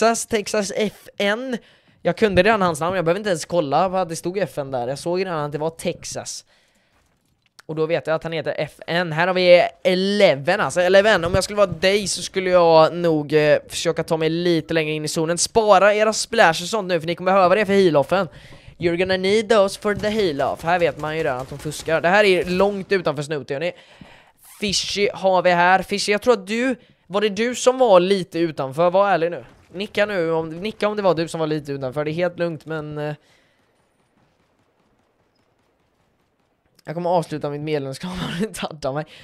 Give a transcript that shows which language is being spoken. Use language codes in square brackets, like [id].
[sv] Texas FN. Jag kunde redan hans namn, jag behöver inte ens kolla vad det stod FN där. Jag såg redan att det var Texas. Och då vet jag att han heter FN. Här har vi 11, alltså 11. Om jag skulle vara dig så skulle jag nog försöka ta mig lite längre in i zonen. Spara era splash och sånt nu, för ni kommer behöva det för heal-offen. [en] You're gonna need those for the heal-off. [sv] Här vet man ju redan att de fuskar. Det här är långt utanför snut, hörrni. Fishy har vi här. Fishy, jag tror att du, var det du som var lite utanför? Var ärlig nu. Nicka nu, nicka om det var du som var lite utanför. Det är helt lugnt, men jag kommer avsluta mitt medlemskap. Har du inte addat mig?